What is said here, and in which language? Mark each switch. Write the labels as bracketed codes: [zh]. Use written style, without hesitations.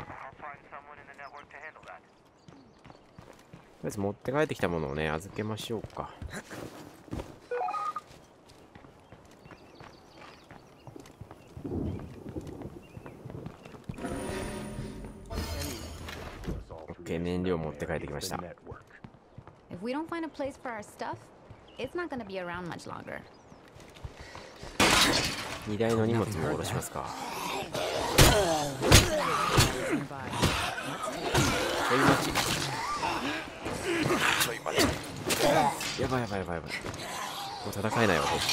[ja] とりあえず持って帰ってきたものをね、預けましょうか。燃料持って帰ってきました。 [en] If we don't find a place for our stuff, it's not gonna be around much longer. [ja] 荷台の荷物も下ろしますか。ちょい待ち。ちょい待ち。やばいやばいやばいやばい。もう戦えないわ。